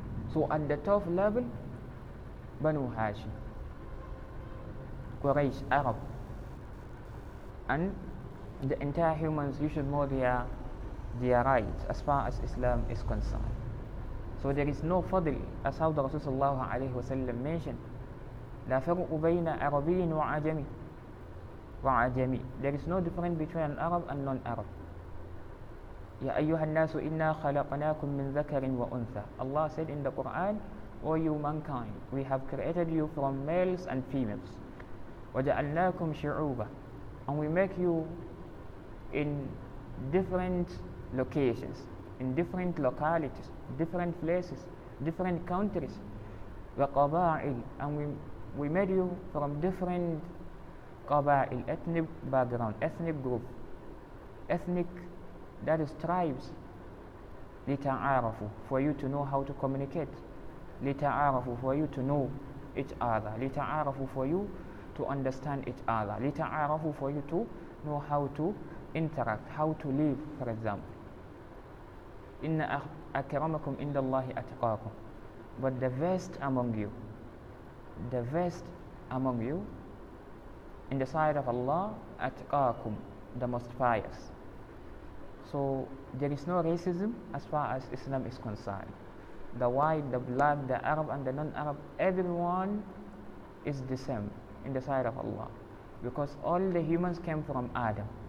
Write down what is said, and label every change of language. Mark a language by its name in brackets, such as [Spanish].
[English] So at the top level, Banu Hashim, Quraysh, Arab, and the entire humans, you should know their rights as far as Islam is concerned. So there is no fadl, as how the Rasul sallallahu alayhi wa sallam mentioned, [Arabic] لا فرق بين عربي وعجمي وعجمي. [English] There is no difference between an Arab and non-Arab. [Arabic] يا أيها الناس إنا خلقناكم من ذكر وأنثى. [English] Allah said in the Quran, O you mankind, we have created you from males and females. [Arabic] وجعلناكم شعوبا. [English] And we make you in different locations, in different localities, different places, different countries. [Arabic] وقبائل. [English] And we made you from different قبائل, ethnic background, ethnic group, ethnic, that is tribes. لتعارفوا, for you to know how to communicate. لتعارفوا, for you to know each other. لتعارفوا, for you to understand each other. لتعارفوا, for you to know how to interact, how to live, for example. [Arabic] إن أكرمكم عند الله أتقاكم. [English] But the best among you, the best among you in the sight of Allah, أتقاكم, the most pious. So there is no racism as far as Islam is concerned. The white, the black, the Arab and the non-Arab, everyone is the same in the sight of Allah, because all the humans came from Adam.